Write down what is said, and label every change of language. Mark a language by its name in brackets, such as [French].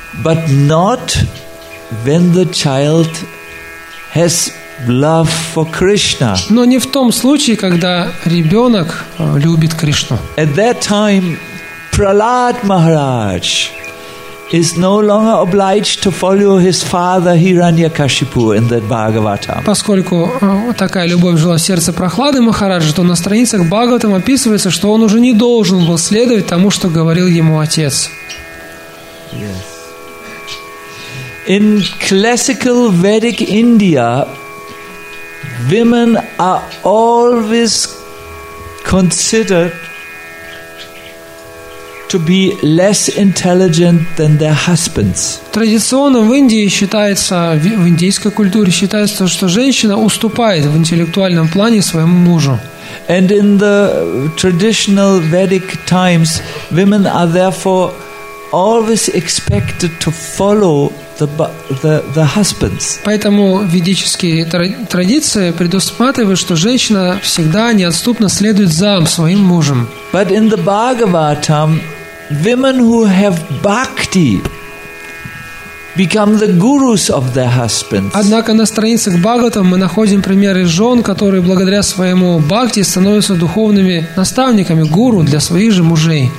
[English] But not when the child has love for Krishna. [Russian] Но не в том случае, когда ребенок любит Кришну. [English] At that time, Prahlad Maharaj is no longer obliged to follow his father Hiranyakashipu in that Bhagavatam. [Russian] Поскольку такая любовь жила в сердце Прохлады Махараджа, то на страницах Бхагаватам описывается, что он уже не должен был следовать тому, что говорил ему отец. [English] Yes. In classical Vedic India, women are always considered to be less intelligent than their husbands. [Russian] Традиционно в Индии считается, в индийской культуре считается, что женщина уступает в интеллектуальном плане своему мужу. [English] And in the traditional Vedic times, women are therefore always expected to follow the husbands. [Russian] Поэтому ведические традиции предусматривают, что женщина всегда неотступно следует за своим мужем. [English] But in the Bhagavatam, women who have bhakti become the gurus of their husbands. [Russian] Однако на страницах Бхагаватам мы находим примеры жен, которые благодаря своему бхакти становятся духовными наставниками, гуру для своих же мужей.